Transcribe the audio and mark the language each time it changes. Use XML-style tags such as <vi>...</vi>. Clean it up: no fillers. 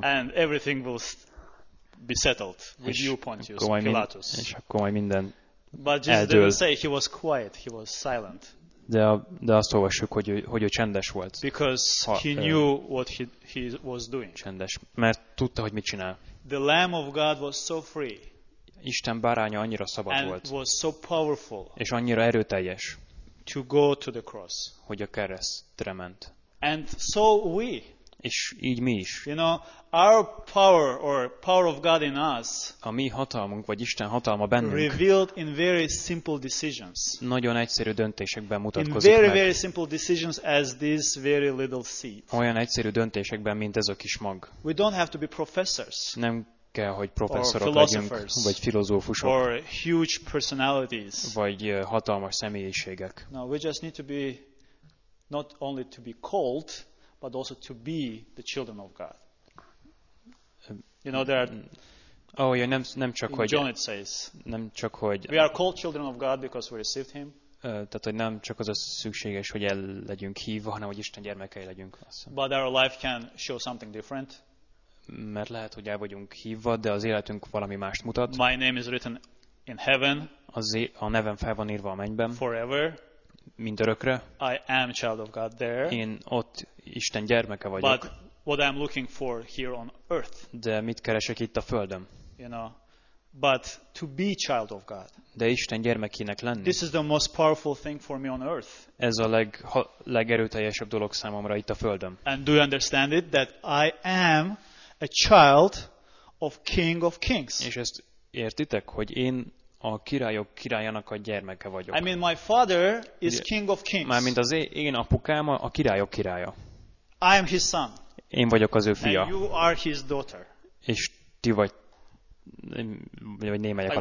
<en>And everything will be settled with you, Pontius Pilatus.</en> <hu>És akkor majd minden.</hu> <en>But Jesus didn't say he was quiet. He was silent.</en> <hu>De azt olvassuk, hogy ő csendes volt.</hu> <en>Because he knew what he was doing.</en> <hu>Csendes, mert tudta, hogy mit csinál.</hu> <en>The Lamb of God was so free.</en> <hu>Isten báránya annyira szabad</hu> <en>and</en> <hu>volt.</hu> <en>And was so powerful.</en> <hu>És annyira erőteljes.</hu> <en>To go to the cross.</en> <hu>Hogy a keresztre ment.</hu> <en>And so we.</en> <hu>És így mi is.</hu> <en>You know, our power or power of God in us.</en> <hu>A mi hatalmunk vagy Isten hatalma bennünk.</hu> <en>Revealed in very simple decisions.</en> <hu>Nagyon egyszerű döntésekben mutatkozik meg.</hu> <en>In very very simple decisions as this very little seed.</en> <hu>Olyan egyszerű döntésekben, mint ez a kis mag.</hu> <en>We don't have to be professors.</en> <hu>Nem kell, hogy professzorok legyünk, vagy filozófusok.</hu> <en>Or huge personalities.</en> <hu>Vagy hatalmas személyiségek.</hu> <en>No, we just need to be not only to be called, but also to be the children of God. You know there.</en> <hu>Oh, yeah, nem csak</hu> <en>in</en> <hu>hogy.</hu> <en>John it says.</en> <hu>Nem csak hogy.</hu> <en>We are called children of God because we received Him.</en> <hu>Tehát hogy nem csak az a szükséges, hogy el legyünk hívva, hanem hogy Isten gyermekei legyünk.</hu> <en>But our life can show something different.</en> <hu>Mert lehet, hogy el vagyunk hívva, de az életünk valami mást mutat.</hu> <en>My name is written in heaven.</en> <hu>A nevem fel van írva a mennyben.</hu> <en>Forever.</en> <hu>Mint örökre.</hu> <en>I am child of God there.</en> <hu>Én ott Isten gyermeke vagyok.</hu> <en>But what I'm looking for here on earth.</en> <hu>De mit keresek itt a földön?</hu> <en>You know, but to be child of God.</en> <hu>De Isten gyermekének lenni.</hu> <en>This is the most powerful thing for me on earth.</en> <hu>Ez a legerőteljesebb dolog számomra itt a földön.</hu> <en>And do you understand it that I am a child of King of Kings?</en> <hu>És ezt értitek, hogy én a királyok királyának a gyermeke vagyok.</hu> <en>I mean my father is King of Kings.</en> <hu>Mármint az én apukám a királyok királya.</hu> <en>I am his son.</en> <hu>Én vagyok az ő fia.</hu> <en>And you are his daughter.</en> <hu>És ti vagy némelyek a</hu>